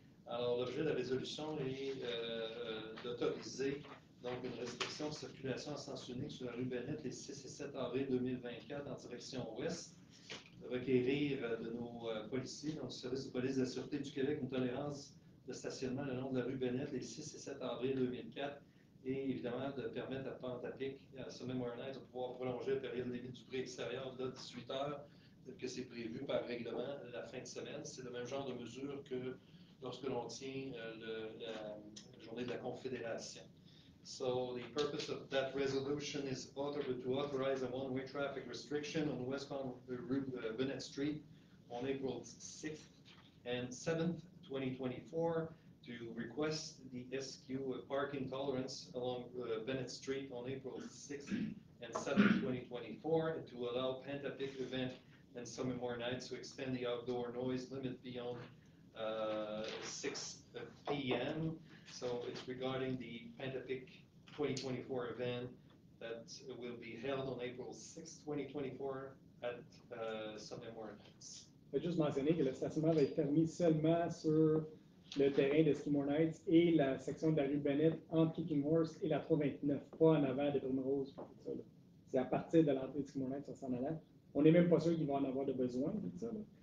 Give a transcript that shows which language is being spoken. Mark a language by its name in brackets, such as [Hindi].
[French] Alors, l'objet de la résolution est d'autoriser donc une restriction de circulation en sens unique sur la rue Bennett les 6 et 7 avril 2024 en direction ouest, de requérir de nos policiers, donc service de police de la Sûreté du Québec, une tolérance de stationnement le long de la rue Bennett les 6 et 7 avril 2004, et évidemment de permettre à Pantapic, à Summit Moore Heights, de pouvoir prolonger la période limite du prix extérieur de 18 heures, tel que c'est prévu par règlement la fin de semaine. C'est le même genre de mesure que lorsque l'on tient la journée de la Confédération. [English] So the purpose of that resolution is to authorize a one-way traffic restriction on westbound Bennett Street on April 6th and 7th, 2024, to request the SQ parking tolerance along Bennett Street on April 6th and 7th, 2024, and to allow Pantapic event and Summit Moore Heights to extend the outdoor noise limit beyond 6 p.m. So it's regarding the Pantapic 2024 event that will be held on April 6, 2024 at Summit Moore Heights. [French] Je vais juste mentionner que le stationnement va être permis seulement sur le terrain de Skimmore Nights et la section de la rue Bennett entre Kicking Horse et la 329, pas en avant de Primrose. Tout ça, c'est à partir de l'entrée de Skimmore Nights, on s'en allait. On n'est même pas sûr qu'ils vont en avoir de besoin, tout ça, là.